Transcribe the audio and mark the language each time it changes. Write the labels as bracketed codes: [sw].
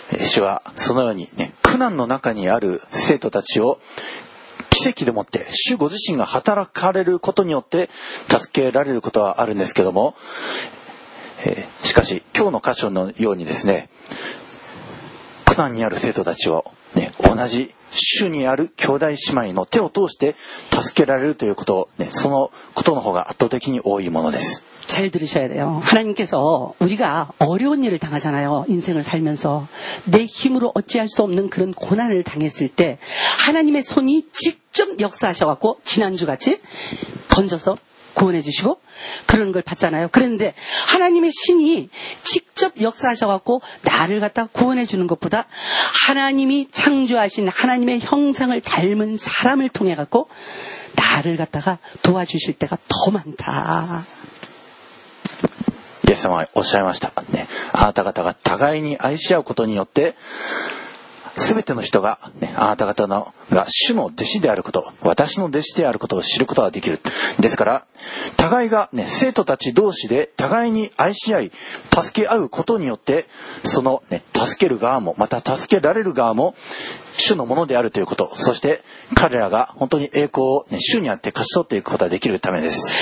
[ja] 主はそのように、ね、苦難の中にある生徒たちを奇跡でもって主ご自身が働かれることによって助けられることはあるんですけども、しかし今日の箇所のようにですね、苦難にある生徒たちを、ね、同じ主にある兄弟姉妹の手を通して助けられるということ、ね、そのことの方が圧倒的に多いものです。 [ko] 잘 들으셔야 돼요. 하나님께서 우리가 어려운 일을 당하잖아요. 인생을 살면서 내 힘으로 어찌할 수 없는 그런 고난을 당했을 때 하나님의 손이 직접 역사하셔갖고 지난주같이 던져서 구원해 주시고 그런 걸 받잖아요. 그런데 하나님의 신이 직접 역사하셔갖고 나를 갖다 구원해 주는 것보다 하나님이 창조하신 하나님의 형상을 닮은 사람을 통해 갖고 나를 갖다가 도와주실 때가 더 많다. [ja] イエス様はおっしゃいました、ね、あなた方が互いに愛し合うことによって全ての人が、ね、あなた方のが主の弟子であること私の弟子であることを知ることができる。ですから互いが、ね、生徒たち同士で互いに愛し合い助け合うことによってその、ね、助ける側もまた助けられる側も主のものであるということ、そして彼らが本当に栄光を、ね、主にあって勝ち取っていくことができるためです。